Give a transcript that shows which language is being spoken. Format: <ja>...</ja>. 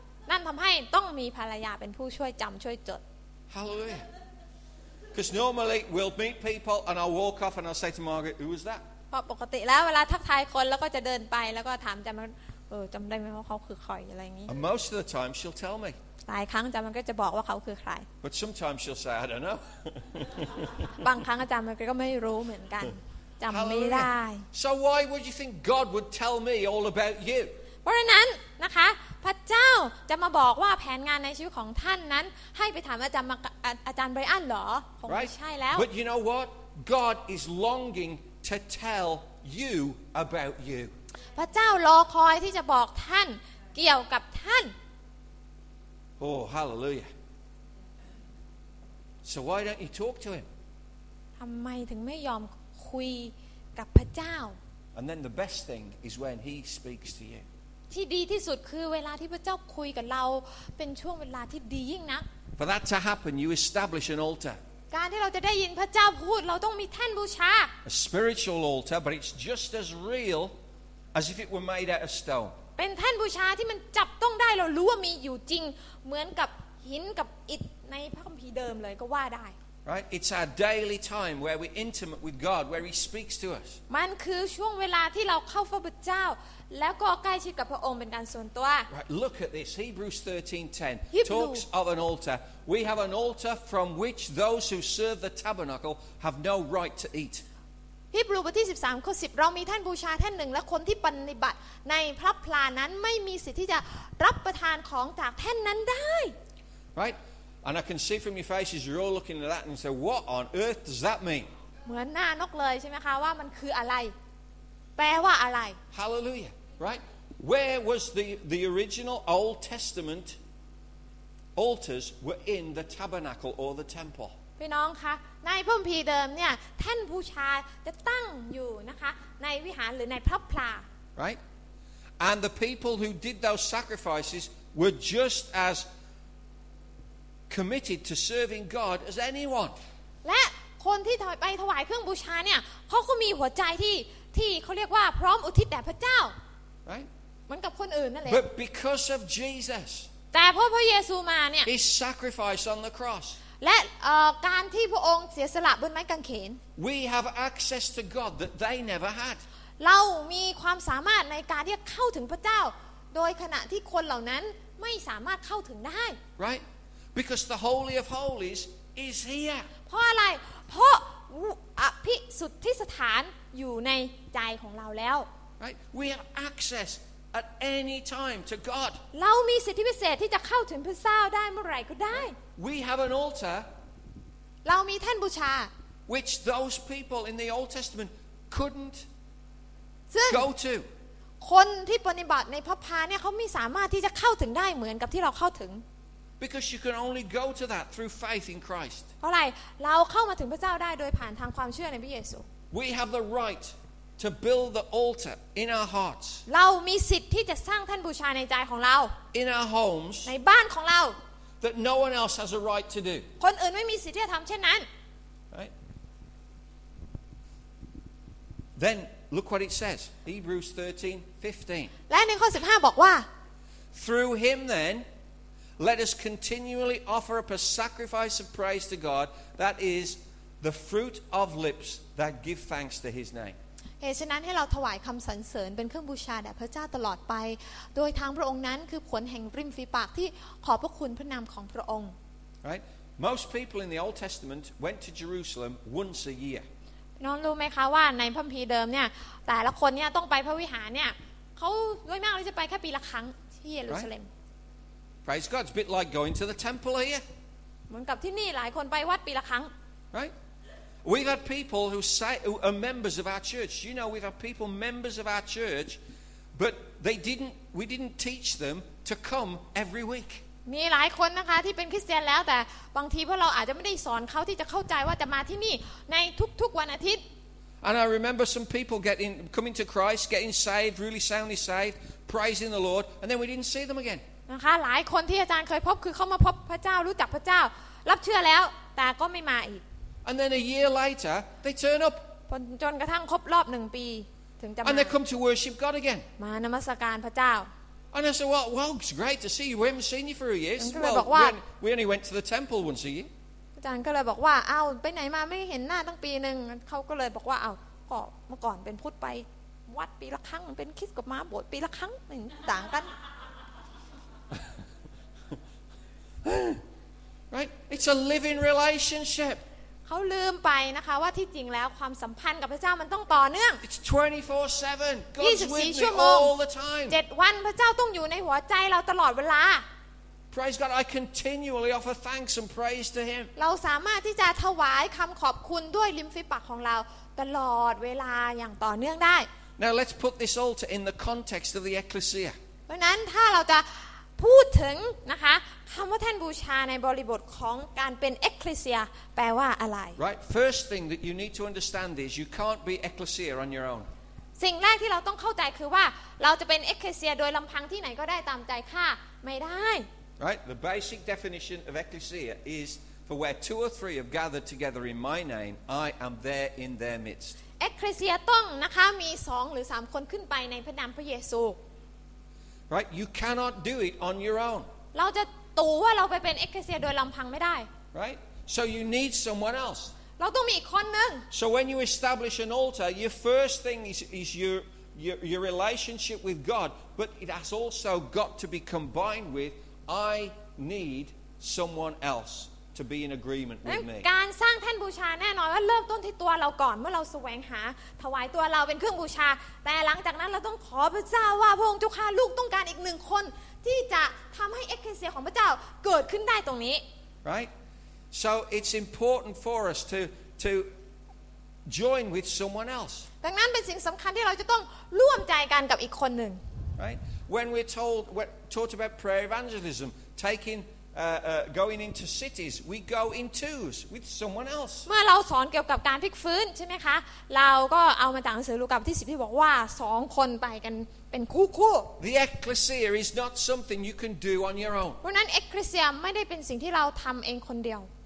<th>นั่นทำให้ต้องมีภรรยาเป็นผู้ช่วยจำช่วยจด</th> <en>Hallelujah. Because normally we'll meet people and I'll walk off and I'll say to Margaret, "Who was that?"</en> <th>พอปกติแล้วเวลาทักทายคนแล้วก็จะเดินไปแล้วก็ถามจำมันจำได้ไหมว่าเขาคือใครอะไรงี้</th> <en>And most of the time she'll tell me.</en> <th>หลายครั้งจำมันก็จะบอกว่าเขาคือใคร</th> <en>But sometimes she'll say, "I don't know."</en> <th>บางครั้งจำมันก็ไม่รู้เหมือนกันจำไม่ได้</th> <en>So why would you think God would tell me all about you?</en> <th>เพราะฉะนั้นนะคะพระเจ้าจะมาบอกว่าแผนงานในชีวิตของท่านนั้นให้ไปถามอาจารย์ไบรอันเหรอคงไม่ใช่แล้ว</th> <en>But you know what God is longing to tell you about you</en> <th>พระเจ้ารอคอยที่จะบอกท่านเกี่ยวกับท่าน</th> <en>Oh hallelujah So why don't you talk to him</en> <th>ทำไมถึงไม่ยอมคุยกับพระเจ้า</th> <en>And then the best thing is when he speaks to you</en> <th>ที่ดีที่สุดคือเวลาที่พระเจ้าคุยกับเราเป็นช่วงเวลาที่ดียิ่งนะ</th> <en>For that to happen you establish an altar</en> <th>การที่เราจะได้ยินพระเจ้าพูดเราต้องมีแท่นบูชา</th> <en>A spiritual altar but it's just as real as if it were made out of stone</en> <th>เป็นแท่นบูชาที่มันจับต้องได้เรารู้ว่ามีอยู่จริงเหมือนกับหินกับอิฐในพระคัมภีร์เดิมเลยก็ว่าได้</th> <en>Right it's our daily time where we're intimate with God where he speaks to us</en> <th>มันคือช่วงเวลาที่เราเข้าเฝ้าพระเจ้าแล้วก็ใกล้ชิดกับพระองค์เป็นการส่วนตัว</th> <en>Right look at this Hebrews 13:10 Hebrew. talks of an altar we have an altar from which those who serve the tabernacle have no right to eat</en> <th>ฮีบรูบทที่13ข้อ10เรามีแท่นบูชาแท่นหนึ่งและคนที่ปฏิบัติในพระพลานั้นไม่มีสิทธิ์ที่จะรับประทานของจากแท่นนั้นได้</th> <en>Right and I can see from your faces you're all looking at that and say what on earth does that mean</en> <th>เหมือนหน้านกเลยใช่ไหมคะว่ามันคืออะไรแปลว่าอะไร</th> <en>Hallelujah right where was the original old testament altars were in the tabernacle or the temple</en> <th>พี่น้องคะในพระคัมภีร์เดิมเนี่ยท่านบูชาจะตั้งอยู่นะคะในวิหารหรือในพระพลา</th> <en>right and the people who did those sacrifices were just as committed to serving God as anyone</en> <th>และคนที่ไปถวายเครื่องบูชาเนี่ยเขาก็มีหัวใจที่เขาเรียกว่าพร้อมอุทิศแด่พระเจ้า</th> <en>right</en> <th>เหมือนกับคนอื่นนั่นแหละ</th> <en>but because of Jesus</en> <th>แต่พระเยซูมาเนี่ย</th> <en>his sacrifice on the cross</en> <th>และการที่พระองค์เสียสละบนไม้กางเขน</th> <en>we have access to God that they never had</en> <th>เรามีความสามารถในการที่จะเข้าถึงพระเจ้าโดยขณะที่คนเหล่านั้นไม่สามารถเข้าถึงได้</th> <en>right because the holy of holies is here</en> <th>เพราะอะไรเพราะอภิสุทธิสถานอยู่ในใจของเราแล้ว</th> <en>right we have access at any time to God</en> <th>เรามีสิทธิพิเศษที่จะเข้าถึงพระเจ้าได้เมื่อไหร่ก็ได้</th> <en>we have an altar</en> <th>เรามีแท่นบูชา</th> <en>which those people in the Old Testament couldn't go to</en> <th>คนที่ปฏิบัติในพระพาเนี่ยเขาไม่สามารถที่จะเข้าถึงได้เหมือนกับที่เราเข้าถึง</th> <en>because you can only go to that through faith in Christ</en> <th>เพราะอะไรเราเข้ามาถึงพระเจ้าได้โดยผ่านทางความเชื่อในพระเยซู</th> <en>We have the right to build the altar in our hearts.</en> <th>เรามีสิทธิ์ที่จะสร้างแท่นบูชาในใจของเรา</th> <en>In our homes.</en> <th>ในบ้านของเรา</th> <en>That no one else has a right to do.</en> <th>คนอื่นไม่มีสิทธิ์ที่จะทำเช่นนั้น</th> <en>Right. Then look what it says. Hebrews 13:15.</en> <th>และในข้อ15บอกว่า</th> <en>Through him then, let us continually offer up a sacrifice of praise to God. That is. The fruit of lips that give thanks to His name.</en> <th>เหตุฉะนั้นให้เราถวายคำสรรเสริญเป็นเครื่องบูชาแด่พระเจ้าตลอดไปโดยทางพระองค์นั้นคือผลแห่งริมฝีปากที่ขอบพระคุณพระนามของพระองค์</th> <en>Right. Most people in the Old Testament went to Jerusalem once a year.</en> <th>น้องรู้ไหมคะว่าในพระคัมภีร์เดิมเนี่ยแต่ละคนเนี่ยต้องไปพระวิหารเนี่ยเขาด้วยมากเลยจะไปแค่ปีละครั้งที่เยรูซาเล็ม</th> <en>Praise God, it's a bit like going to the temple here.</en> <th>เหมือนกับที่นี่หลายคนไปวัดปีละครั้ง</th> <en>Right? We've had people who say who are members of our church. You know, we've had people members of our church, but they didn't. We didn't teach them to come every week.</en> <th>มีหลายคนนะคะที่เป็นคริสเตียนแล้วแต่บางทีพวกเราอาจจะไม่ได้สอนเขาที่จะเข้าใจว่าจะมาที่นี่ในทุกๆวันอาทิตย์</th> <en>And I remember some people getting coming to Christ getting saved really soundly saved praising the Lord and then we didn't see them again</en> <th>นะคะหลายคนที่อาจารย์เคยพบคือเข้ามาพบพระเจ้ารู้จักพระเจ้ารับเชื่อแล้วแต่ก็ไม่มาอีก</th> <en>And then a year later they turn up</en> <th>จนกระทั่งครบรอบ1ปีถึงจะมา</th> <en>And they come to worship God again</en> <th>มานมัสการพระเจ้า</th> <en>And I said, well, well, it's great to see you. We haven't seen you for a year. So, well, we only went to the temple once a year.</en> <th>อาจารย์ก็เลยบอกว่าเอ้าไปไหนมาไม่เห็นหน้าตั้งปีนึงเขาก็เลยบอกว่าเอ้าก็เมื่อก่อนเป็นพุทธไปวัดปีละครั้งเป็นคริสต์กับมาโบสถ์ปีละครั้งเหมือนต่างกัน</th> <en>Right? It's a living relationship.</en> <th>เขาลืมไปนะคะว่าที่จริงแล้วความสัมพันธ์กับพระเจ้ามันต้องต่อเนื่อง</th> <en>It's 24/7. God's with me all the time.</en> <th>7วันพระเจ้าต้องอยู่ในหัวใจเราตลอดเวลา</th> <en>Praise God, I continually offer thanks and praise to him.</en> <th>เราสามารถที่จะถวายคำขอบคุณด้วยริมฝีปากของเราตลอดเวลาอย่างต่อเนื่องได้</th> <en>Now let's put this altar in the context of the ecclesia.</en> <th>เพราะนั้นถ้าเราจะพูดถึงนะคะคำว่าแท่นบูชาในบริบทของการเป็นเอ็กเคลเซียแปลว่าอะไร</th> <en>Right first thing that you need to understand is you can't be ecclesia on your own</en> <th>สิ่งแรกที่เราต้องเข้าใจคือว่าเราจะเป็นเอ็กเคลเซียโดยลำพังที่ไหนก็ได้ตามใจข้าไม่ได้</th> <en>Right the basic definition of ecclesia is for where two or three have gathered together in my name I am there in their midst</en> <th>เอ็กเคลเซียต้องนะคะมี2หรือ3คนขึ้นไปในพระนามพระเยซู</th> <en>Right, you cannot do it on your own.</en> <th>เราจะตู่ว่าเราไปเป็นเอ็กเคลเซียโดยลำพังไม่ได้</th> <en>Right, so you need someone else.</en> <th>เราต้องมีอีกคนนึง</th> <en>So when you establish an altar, your first thing is your relationship with God, but it has also got to be combined with I need someone else to be in agreement with me.</en> <th>การสร้างแท่นบูชาแน่นอนว่าเริ่มต้นที่ตัวเราก่อนเมื่อเราแสวงหาถวายตัวเราเป็นเครื่องบูชาแต่หลังจากนั้นเราต้องขอพระเจ้าว่าพระองค์เจ้าค่ะลูกต้องการอีกหนึ่งคนที่จะทำให้เอ็กเคลเซียของพระเจ้าเกิดขึ้นได้ตรงนี้</th> <en>Right so it's important for us to join with someone else</en> <th>ดังนั้นเป็นสิ่งสำคัญที่เราจะต้องร่วมใจกันกับอีกคนหนึ่ง</th> <en>Right when we're told taught about prayer evangelism takingGoing into cities, we go in twos with someone else.</en> <th>เมื่อเราสอนเกี่ยวกับการฟื้นฟูใช่ไหมคะเราก็เอามาจากหนังสือลูกาบทที่10ที่บอกว่า2คนไปกันเป็นคู่คู่</th> <en>The ecclesia is not something you can do on your own.</en> <th>เพราะนั้นเอ็กเคลเซียไม่ได้เป็นสิ่งที่เราทำเองคนเดียว</th>